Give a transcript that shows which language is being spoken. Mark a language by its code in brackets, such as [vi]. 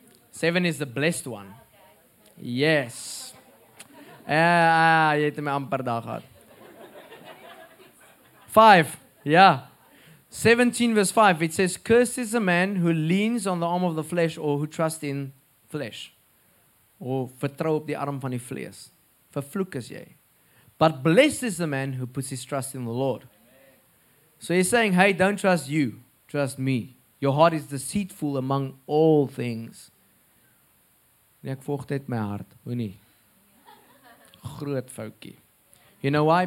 [en] 7 is the blessed one. Yes. [af] Jy het my amper daar gehad. [en] 5. Yeah. 17 verse 5. It says, cursed is a man who leans on the arm of the flesh or who trusts in flesh. [af] Or vertrou op die arm van die vlees. Vervloek is jy. [en] But blessed is the man who puts his trust in the Lord. So he's saying, hey, don't trust you. Trust me. Your heart is deceitful among all things. [af] Nee, ek volg dit my hart. Hoe nie? Groot foutjie. [en] You know why?